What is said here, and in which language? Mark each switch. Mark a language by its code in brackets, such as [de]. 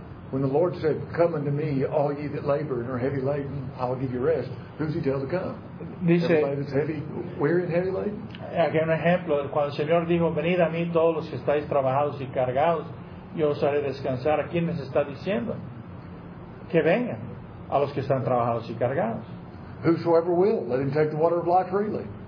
[en] When the Lord said, come unto me, all ye that labor and are heavy laden, I will give you rest. Who's he tell to come? [es] Dice, [en] everybody that's heavy, weary and heavy laden? [es] Aquí hay un ejemplo. Cuando el Señor dijo, venid a mí todos los que estáis trabajados y cargados, yo os haré descansar. ¿A quién les está diciendo? Que vengan. A los que están trabajados y cargados. [en] Whosoever will, let him take the water of life freely.